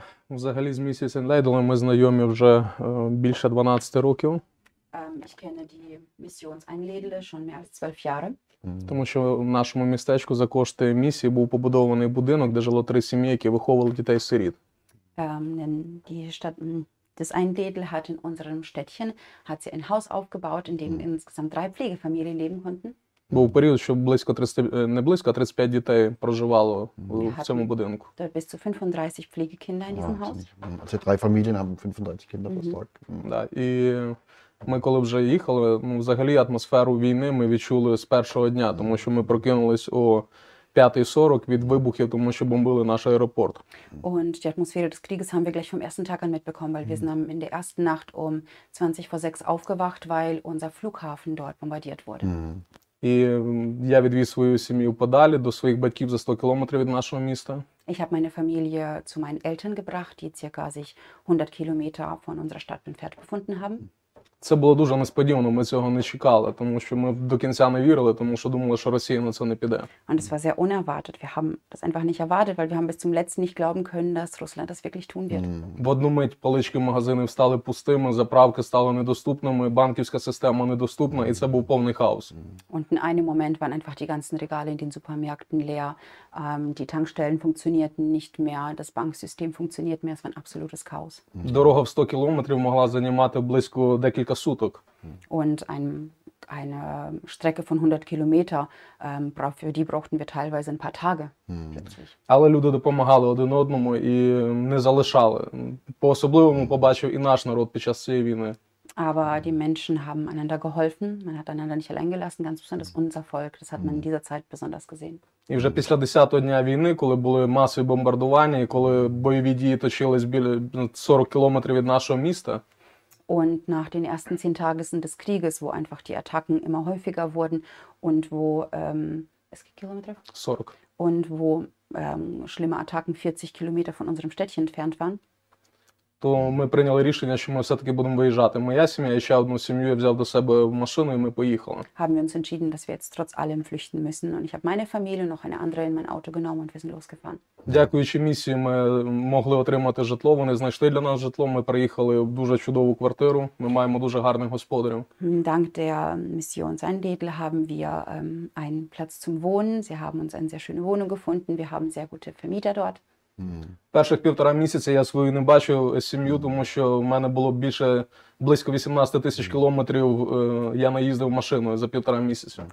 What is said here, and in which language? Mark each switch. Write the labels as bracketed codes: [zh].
[uk] Взагалі з місією Сенлейдлем ми знайомі вже більше 12 років. [de] Ich kenne die Missionseinlädle schon mehr als 12 Jahre. [uk] Тому що в нашому містечку за кошти місії був побудований будинок, де жило три сім'ї, які виховували дітей-сиріт. [de] Die Stadt, das Einlädle hat in unserem Städtchen hat sie ein Haus aufgebaut, in dem insgesamt drei Pflegefamilien leben konnten. [uk] Був період, що близько 30, не близько, 35 дітей проживало в цьому будинку. [de] Da bis zu 35 Pflegekinder in diesem Haus. Also drei Familien haben 35 Kinder versorgt. [uk] Да, і ми коли вже їхали, взагалі атмосферу війни ми відчули з першого дня, тому що ми прокинулись о 5:40 від вибухів, тому що бомбили наш аеропорт. [de] Und die Atmosphäre des Krieges haben wir gleich vom ersten Tag an mitbekommen, weil wir sind in der ersten Nacht um 5:40 aufgewacht, weil unser Flughafen dort bombardiert wurde. [uk] І я відвів свою сім'ю подалі до своїх батьків за 100 кілометрів від нашого міста. [de] Ich habe meine Familie zu meinen Eltern gebracht, die circa sich 100 Kilometer von unserer Stadt entfernt befunden haben. [uk] Це було дуже несподівано, ми цього не чекали, тому що ми до кінця не вірили, тому що думали, що Росія на це не піде. [de] Und es war sehr unerwartet. Wir haben das einfach nicht erwartet, weil wir haben bis zum letzten nicht glauben können, dass Russland das wirklich tun wird. [uk] В одну мить полички магазинів стали пустими, заправки стали недоступними, банківська система недоступна, і це був повний хаос. [de] Und in einem Moment waren einfach die ganzen Regale in den Supermärkten leer, die Tankstellen funktionierten nicht mehr, das Banksystem funktioniert mehr, es war ein absolutes Chaos. [uk] Дорога в 100 кілометрів могла займати близько декілька суток. [de] Und eine Strecke von 100 Kilometer, für die brauchten wir teilweise ein paar Tage. [uk] Але люди допомагали один одному і не залишали. По-особливому побачив і наш народ під час цієї війни. [de] Aber die Menschen haben einander geholfen, man hat einander nicht allein gelassen, ganz besonders unser Volk, das hat man in dieser Zeit besonders gesehen. [uk] І вже після 10-го дня війни, коли були масові бомбардування і коли бойові дії точились біля 40 кілометрів від нашого міста, [de] Und nach den ersten 10 Tagen des Krieges, wo einfach die Attacken immer häufiger wurden und wo, es gibt Kilometer? [uk] 40. [de] Und wo schlimme Attacken 40 Kilometer von unserem Städtchen entfernt waren. [uk] То ми прийняли рішення, що ми все-таки будемо виїжджати. Моя сім'я і ще одну сім'ю я взяв до себе в машину, і ми поїхали. [de] Haben wir uns entschieden, dass wir jetzt trotz allem flüchten müssen. Und ich habe meine Familie und noch eine andere in mein Auto genommen und wir sind losgefahren. [uk] Дякуючи місії, ми могли отримати житло. Вони знайшли для нас житло. Ми приїхали в дуже чудову квартиру. Ми маємо дуже гарних господарів. [de] Dank der Missionseinlädle haben wir einen Platz zum Wohnen. Sie haben uns eine sehr schöne Wohnung gefunden. Wir haben sehr gute Vermieter dort. [uk] Перших півтора місяця я свою не бачу сім'ю, тому що в мене було більше близько 18 тисяч кілометрів я наїздив машиною за півтора місяця.